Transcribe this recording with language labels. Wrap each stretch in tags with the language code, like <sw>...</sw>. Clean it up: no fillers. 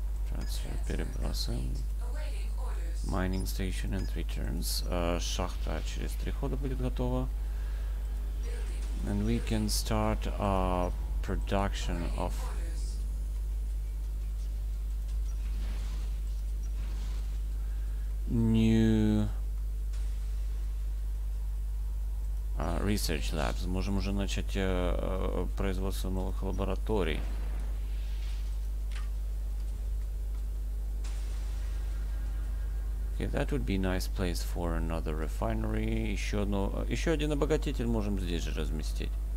<ru>Трансфер, перебросим.</ru> <en>Mining station in 3 turns.</en> <ru>Шахта через 3 хода будет готова.</ru> <en>And we can start production of new research labs.</en> <ru>Можем уже начать производство новых лабораторий.</ru> <en>Okay, that would be nice place for another refinery.</en> <ru>Еще один обогатитель можем здесь же разместить.</ru>